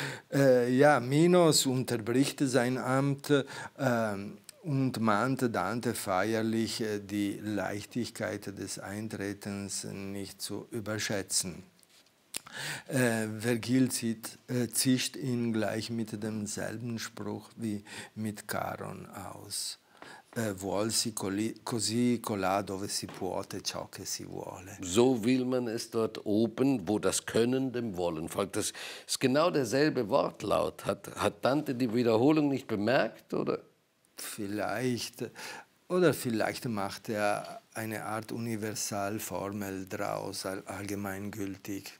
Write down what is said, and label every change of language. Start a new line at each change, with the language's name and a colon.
German: Minos unterbricht sein Amt und mahnte Dante feierlich, die Leichtigkeit des Eintretens nicht zu überschätzen. Vergil zischt ihn gleich mit demselben Spruch wie mit Charon aus.
Italian: Vuol si così colà dove si può ciò che si vuole.
German: So will man es dort oben, wo das Können dem Wollen folgt. Das ist genau derselbe Wortlaut. Hat Dante die Wiederholung nicht bemerkt, oder? Vielleicht. Oder vielleicht macht er eine Art Universalformel draus, allgemeingültig.